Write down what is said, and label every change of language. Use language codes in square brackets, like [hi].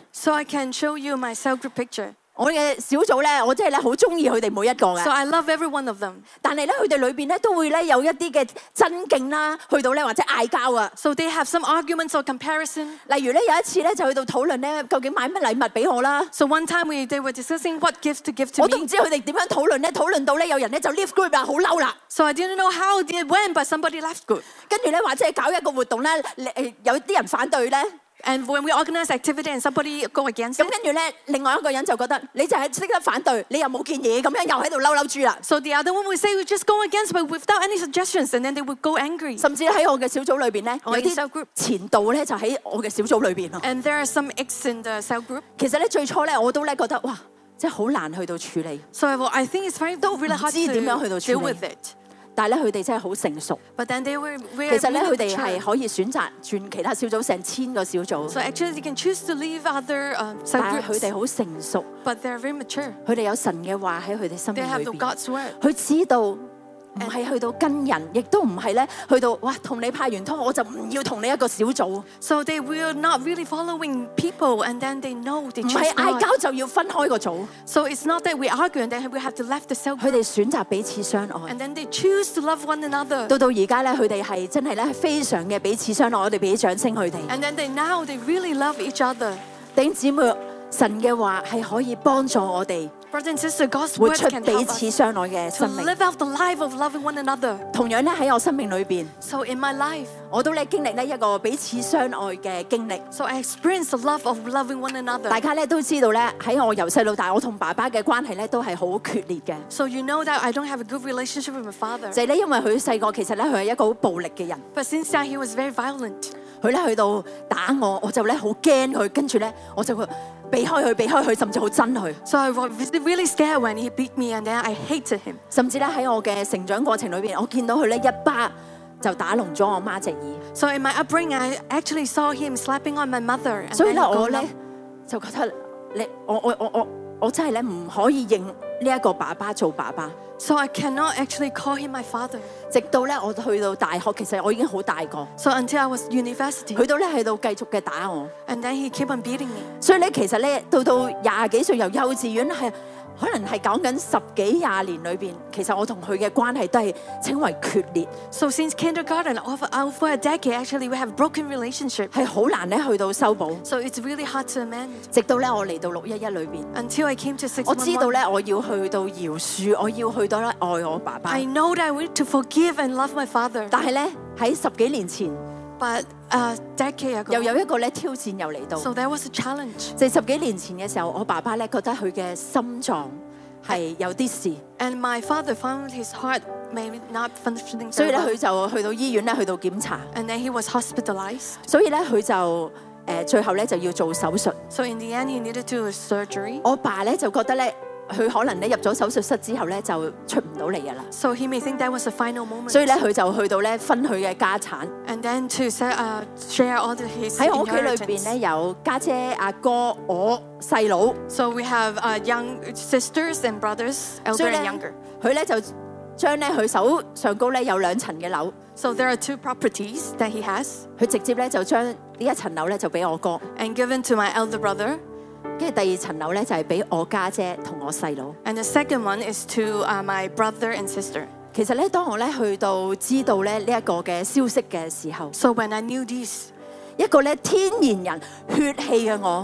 [en] ，So I can show you my cell group picture。 [yue] 我嘅小組咧，我真係咧好中意佢哋每一個嘅。 [en] So I love every one of them。 [yue] 但係咧，佢哋裏邊咧都會咧有一啲嘅爭競啦，去到咧或者嗌交啊。 [en] So they have some arguments or comparison。 [yue] 例如咧有一次咧就去到討論咧究竟買乜禮物俾我啦。 [en] So one time they were discussing what gift to give to me。 [yue] 我都唔知佢哋點樣討論咧，討論到咧有人咧就 [en] leave group [yue] 啊，好嬲啦。 [en] So I didn't know how they went, but somebody left group。 [yue] 跟住咧或者搞一個活動咧，有啲人反對咧。 [en] And when we organize activity and somebody go against it, [yue] 跟住咧，另外一個人就覺得你就係識得反對，你又冇建議，咁樣又喺度嬲嬲豬啦。 [en] So the other one would say we just go against, but without any suggestions, and then they would go angry. [yue] 甚至喺我嘅小組裏邊咧，有啲 [en] cell group [yue] 前度咧就喺我嘅小組裏邊咯。 [en] And there are some ex in the cell group. [yue] 其實咧最初咧我都咧覺得哇，真係好難去到處理。 [en] So I think it's very really hard to deal with it. [yue] 都唔知點樣去到處理。但係咧，佢哋真係好成熟。 [en] But then they were [yue] 其實咧，佢哋係可以選擇轉其他小組，成千個小組。 [en] So actually, you can choose to leave other cell groups. [yue] 但係佢哋好成熟。 [en] But they're very mature. [yue] 佢哋有神嘅話喺佢哋心裏邊。 [en] They have the God's word. [yue] 佢知道唔係去到跟人，亦都唔係咧去到哇，同你派完通，我就唔要同你一個小組。 [en] So they will not really following people, and then they know they choose God. [yue] 唔係嗌交就要分開個組。 [en] So it's not that we argue, and then we have to left the cell group. [yue] 佢哋選擇彼此相愛。 [en] And then they choose to love one another. [yue] 到而家咧，佢哋係真係咧非常嘅彼此相愛，我哋俾掌聲佢哋。 [en] And then they really love each other. [yue] 弟兄姊妹，神嘅話係可以幫助我哋。 [en] Brothers and sisters, God's word can help us to live out the life of loving one another. [yue] 同樣咧喺我生命裏邊 [en] ，So in my life, [yue] 我都咧經歷咧一個彼此相愛嘅經歷。 [en] So I experience the love of loving one another. [yue] 大家咧都知道咧喺我由細到大，我同爸爸嘅關係咧都係好決裂嘅。 [en] So you know that I don't have a good relationship with my father. [yue] 就係咧因為佢細個其實咧佢係一個好暴力嘅人。 [en] But since young, he was very violent. [yue] 佢咧去到打我，我就咧好驚佢，跟住咧我就。避開佢，避開佢，甚至好憎佢。 [en] So I was really scared when he beat me, and then I hated him. [yue] 甚至咧喺我嘅成長過程裏邊，我見到佢咧一巴就打聾咗我媽隻耳。 [en] So in my upbringing, I actually saw him slapping on my mother. [yue] 所以咧我咧就覺得你我真係咧唔可以認呢一個爸爸做爸爸。 [en] So I cannot actually call him my father. [yue] 直到咧我去到大學，其實我已經好大個。 [en] So until I was university. [yue] 去到咧喺度繼續嘅打我。 [en] And then he kept on beating me. [yue] 所以咧其實咧到廿幾歲由幼稚園係可能是讲紧十几廿年里边，其实我同佢嘅关系都系称为决裂。 [en] So since kindergarten, for a decade, actually we have broken relationship. [yue] 系好难咧去到修补。 [en] So it's really hard to mend. [yue] 直到咧我嚟到六一一里边。 [en] Until I came to 611. [yue] 我知道咧我要去到饶恕，我要去到咧爱我爸爸。 [en] I know that I want to forgive and love my father. [yue] 但系咧喺十几年前。 [en] But decade ago, [yue] 又有一個咧挑戰又嚟到。 [en] So there was a challenge. [yue] 就十幾年前嘅時候，我爸爸咧覺得佢嘅心臟係有啲事。 [en] And my father found his heart may not functioning. [yue] 所以咧，佢就去到醫院咧，去到檢查。 [en] And then he was hospitalized. [yue] 所以咧，佢就最後咧就要做手術。 [en] So in the end, he needed to do a surgery. [yue] 我爸咧就覺得咧。佢可能咧入咗手術室之後咧就出唔到嚟噶啦。 [en] So he may think that was the final moment. [yue] 所以咧佢就去到咧分佢嘅家產。 [en] And then to share all the his [yue] 喺我屋企裏邊咧有家姐、阿哥、我細佬。 [en] So we have young sisters and brothers, elder and younger. [yue] 佢咧就將咧佢手上高咧有兩層嘅樓。 [en] So there are two properties that he has. [yue] 佢直接咧就將呢一層樓咧就俾我哥。 [en] And given to my elder brother. [yue] 跟住第二層樓咧，就係俾我家姐同我細佬。 [en] And the second one is to my brother and sister. [yue] 其實咧，當我咧去到知道咧呢一個嘅消息嘅時候 [en] ，So when I knew this， [yue] 一個咧天然人血氣嘅我